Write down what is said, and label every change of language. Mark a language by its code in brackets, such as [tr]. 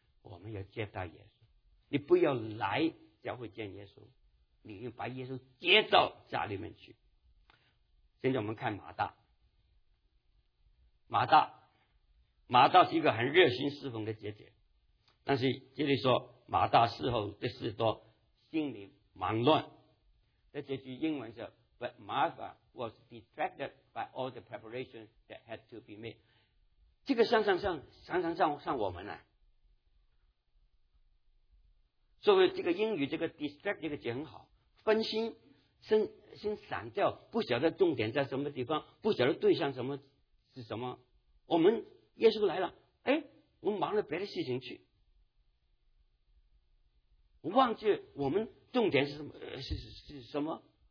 [zh] 我们要接待耶稣，你不要来教会见耶稣，你要把耶稣接到家里面去。现在我们看马大，马大是一个很热心侍奉的姐姐，但是这里说马大事后的事多，心里忙乱。这结局英文是 [en] But Martha was distracted by all the preparations that had to be made。 [zh] 这个常常像我们啊，所以这个英语这个 distract 这个节很好，分心，心散掉，不晓得重点在什么地方，不晓得对象什么是什么。我们耶稣来了，哎，我们忙了别的事情去，我忘记我们重点是什么，是什么？